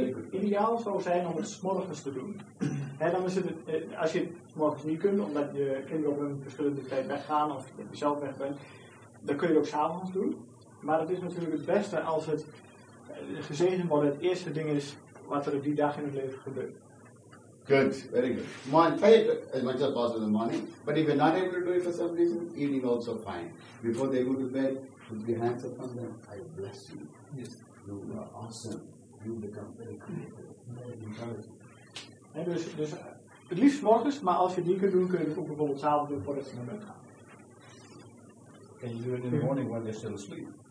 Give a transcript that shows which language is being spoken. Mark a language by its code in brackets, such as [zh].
[nl] Ideaal zou zijn om het 's morgens te doen. He, dan is het, als je het 's morgens niet kunt, omdat je kinderen op een verschillende tijd weggaan of je zelf weg bent, dan kun je het ook 's avonds doen. Maar het is natuurlijk het beste als het gezegend wordt, het eerste ding is wat er die dag in het leven gebeurt. [en] Good, very good. Morning, try it as much as possible in the morning. But if you're not able to do it for some reason, evening also fine. Before they go to bed, put your hands upon them. I bless you. Yes. You are awesome. You become very creative. Very encouraging. [nl] Dus het liefst morgens, maar als je die kunt doen, kun je het ook bijvoorbeeld 's avonds doen voordat ze naar bed gaan. [en] Can you do it in the morning when they're still asleep?